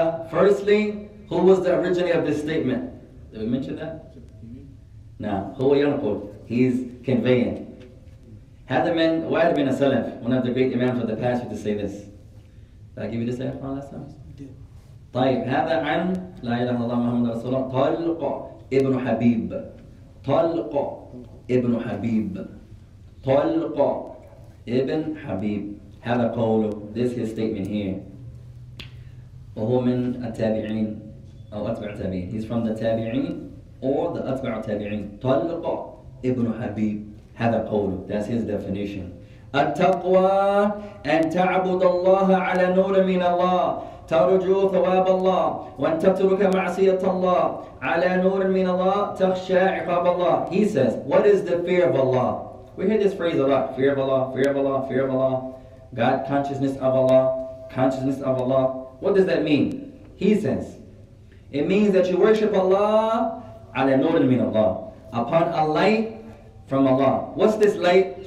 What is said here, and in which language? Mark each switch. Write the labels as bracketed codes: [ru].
[en] Firstly, who was the originator of this statement? Did we mention that? Now, who are you? He's conveying. Had been a salaf, one of the great imams of the past, to say this. Did I give you this ayah last time? [ar] طيب هذا عن لا إله إلا الله محمد رسول الله طلق ابن حبيب طلق ابن حبيب طلق ابن حبيب هذا قوله. [en] This is his statement here. [ar] وهو من التابعين أو أتبع التابعين. [en] He's from the تابعين or the أتبع التابعين. [ar] طلق ابن حبيب هذا قوله. [en] That's his definition. [ar] التقوى أن تعبد الله على نور من الله ترجو ثواب الله وأن تترك معصية الله على نور من الله تخشى عقاب الله. [en] He says, what is the fear of Allah? We hear this phrase a lot. Fear of Allah, fear of Allah, fear of Allah. God consciousness of Allah, consciousness of Allah. What does that mean? He says, it means that you worship Allah [ar] على نور من الله, [en] upon a light from Allah. What's this light?